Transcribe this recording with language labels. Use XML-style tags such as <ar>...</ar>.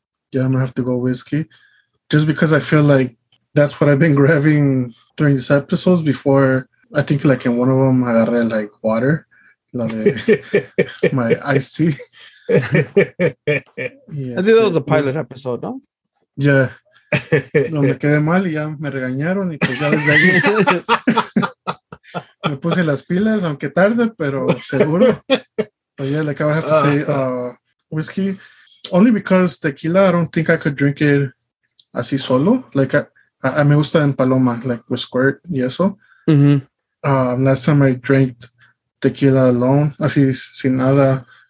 <en>Yeah, I'm going to have to go whiskey. Just because I feel like that's what I've been grabbing during these episodes before. I think like in one of them, I agarré like water. My iced tea. Yes. I think that was a pilot episode, no? Yeah.</en> <es>No me quedé mal y ya me regañaron y pues ya desde ahí. Me puse las pilas, aunque tarde, pero seguro.</es> <en>But yeah, like I would have to say whiskey. Only because tequila, I don't think I could drink it</en> <es>así solo.</es> <en>Like I</en> <es>me gusta en paloma,</es> <en>like with squirt</en> <es>y eso. Mm-hmm.</es> <en>Last time I drank tequila alone,</en> <es>así sin nada.</es>